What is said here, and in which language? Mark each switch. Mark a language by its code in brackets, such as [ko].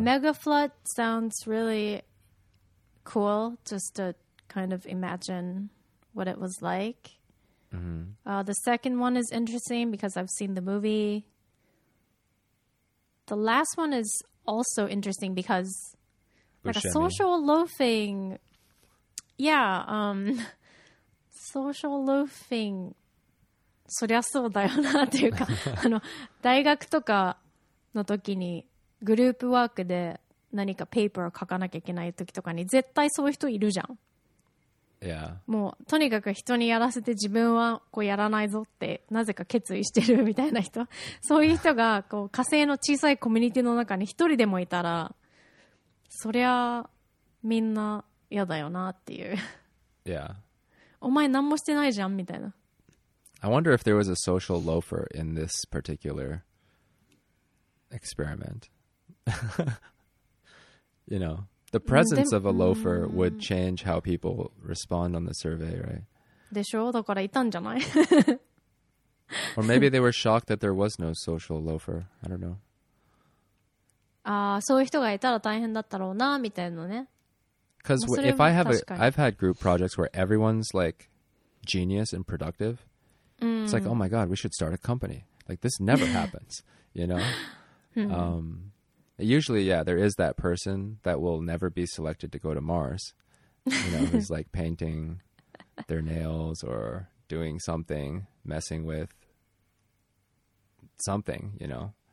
[en] Mega flood sounds really cool, just to kind of imagine what it was like. Mm-hmm. The second one is interesting because I've seen the movie. The last one is also interesting because like a social loafing. Yeah, social loafing. [ja] そりゃそうだよなっていうか、大学とかの時にグループワークで何かペーパーを書かなきゃいけない時とかに絶対そういう人いるじゃん。 Yeah. もうとにかく人にやらせて自分はこうやらないぞってなぜか決意してるみたいな人、そういう人がこう火星の小さいコミュニティの中に一人でもいたら、そりゃみんな嫌だよなっていう。 Yeah. お前何もしてないじゃんみたいな。 [en] I wonder if there was a social loafer in this particular experiment. You know, the presence of a loafer would change how people respond on the survey, right? [ja] でしょ? だからいたんじゃない? [en] Or maybe they were shocked that there was no social loafer. I don't know. [ja] ああ、そういう人がいたら大変だったろうなみたいなね。 [en] Because if I have I've had group projects where everyone's like genius and productive, it's like, oh my god, we should start a company. Like this never happens, you know? Usually, yeah, there is that person that will never be selected to go to Mars, you know, who's like painting their nails or doing something, messing with something, you know.